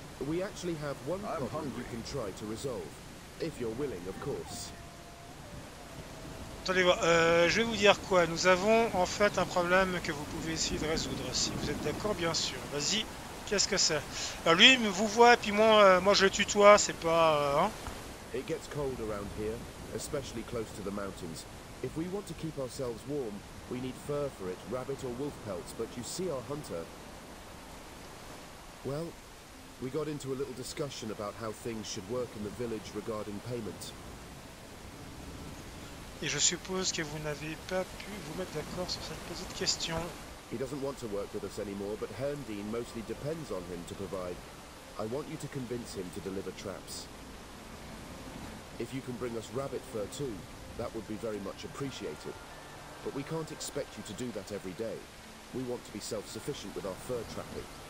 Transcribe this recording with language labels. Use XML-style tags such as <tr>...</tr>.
<en>We actually have one problem you can try to resolve, if you're willing, of course.</en> <fr>Attendez, je vais vous dire quoi. Nous avons en fait un problème que vous pouvez essayer de résoudre, si vous êtes d'accord, bien sûr. Vas-y. Qu'est-ce que c'est? Alors lui, il vous voit, puis moi, je le tutoie. C'est pas. Hein?</fr> <en>It gets cold around here, especially close to the mountains. If we want to keep ourselves warm, we need fur for it, rabbit or wolf pelts. But you see our hunter. Well, we got into a little discussion about how things should work in the village regarding payment.</en> <fr>Et je suppose que vous n'avez pas pu vous mettre d'accord sur cette petite question.</fr> <en>He doesn't want to work with us anymore, but Herndeen mostly depends on him to provide. I want you to convince him to deliver traps. If you can bring us rabbit fur too, that would be very much appreciated. But we can't expect you to do that every day. We want to be self-sufficient with our fur trapping.</en>